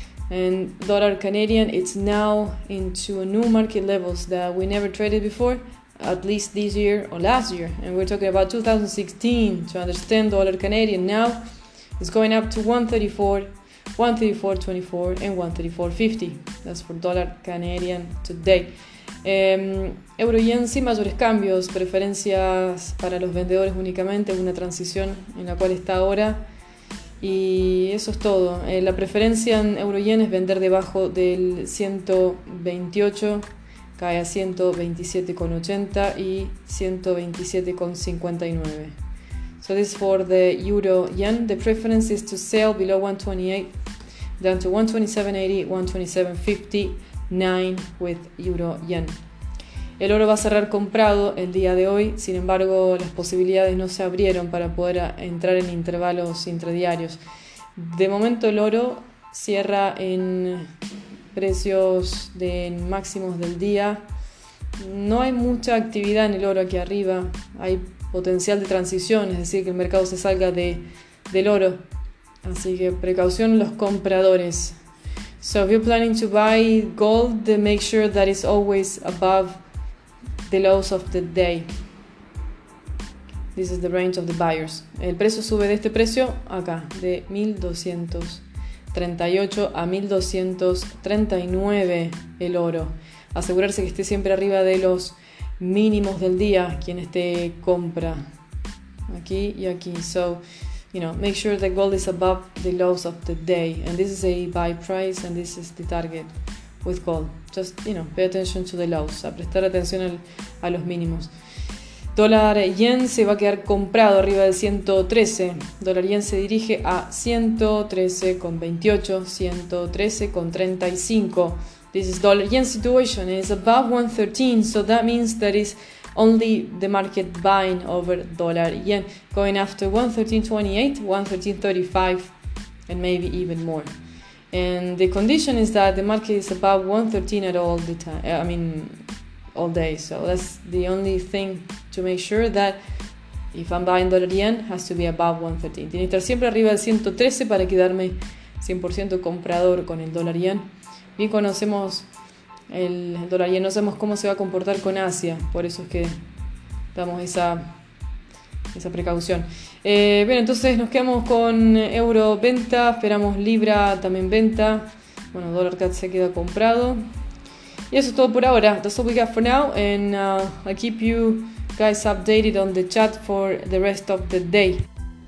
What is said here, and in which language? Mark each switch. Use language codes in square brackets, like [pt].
[en] And dollar Canadian, it's now into new market levels that we never traded before, at least this year or last year. And we're talking about 2016. To understand dollar Canadian now, it's going up to 1.34, 1.34.24 and 1.34.50. That's for dollar Canadian today. [es] Euro yen sin mayores cambios, preferencias para los vendedores únicamente, una transición en la cual está ahora y eso es todo. La preferencia en euro yen es vender debajo del 128, cae a 127.80 y 127.59. [en] So this is for the euro yen, the preference is to sell below 128, down to 127.80, 127.50. 9 with euro yen. [es] El oro va a cerrar comprado el día de hoy, sin embargo las posibilidades no se abrieron para poder entrar en intervalos intradiarios. De momento el oro cierra en precios de máximos del día. No hay mucha actividad en el oro aquí arriba, hay potencial de transición, es decir que el mercado se salga del oro, así que precaución los compradores. [en] So if you're planning to buy gold, then make sure that it's always above the lows of the day. This is the range of the buyers. [es] El precio sube de este precio acá, de 1238 a 1239 el oro. Asegurarse que esté siempre arriba de los mínimos del día quien esté compra. Aquí y aquí. [en] So, you know, make sure the gold is above the lows of the day. And this is a buy price and this is the target with gold. Just, you know, pay attention to the lows. [es] A prestar atención a los mínimos. Dólar yen se va a quedar comprado arriba de 113. Dólar yen se dirige a 113.28, 113.35. [en] This is dollar yen situation. It's above 113, so that means that it's only the market buying over dollar yen, going after 1.1328, 1.1335, and maybe even more. And the condition is that the market is above 1.13 at all the time, I mean, all day. So that's the only thing to make sure that if I'm buying dollar yen, has to be above 1.13. [es] Tiene que estar siempre arriba del 113 para quedarme 100% comprador con el dólar yen. Bien conocemos el dólar yen, no sabemos cómo se va a comportar con Asia, por eso es que damos esa precaución. Bueno, entonces nos quedamos con euro venta, esperamos libra también venta. Bueno, dólar CAD se queda comprado. Y eso es todo por ahora. [en] That's all we got for now, and I'll keep you guys updated on the chat for the rest of the day.